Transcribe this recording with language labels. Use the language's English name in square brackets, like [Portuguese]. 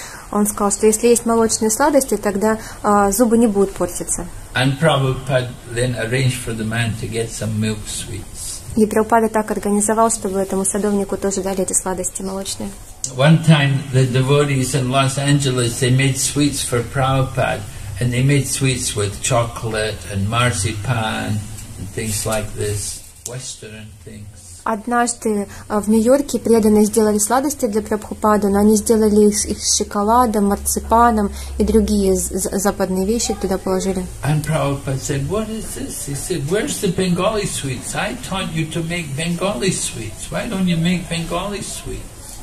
[Russian] Он сказал, что если есть молочные сладости, тогда зубы не будут портиться. [English] And Prabhupada then arranged for the man to get some milk sweets. [Russian] И Прабхупада так организовал, чтобы этому садовнику тоже дали эти сладости молочные. [English] One time the devotees in Los Angeles, they made sweets for Prabhupada, and they made sweets with chocolate and marzipan and things like this, Western things. [Russian] Однажды в Нью-Йорке преданные сделали сладости для Прабхупады, но они сделали их с шоколадом, марципаном и другие западные вещи туда положили. [English] And Prabhupada said, "What is this?" He said, "Where's the Bengali sweets? I taught you to make Bengali sweets. Why don't you make Bengali sweets?"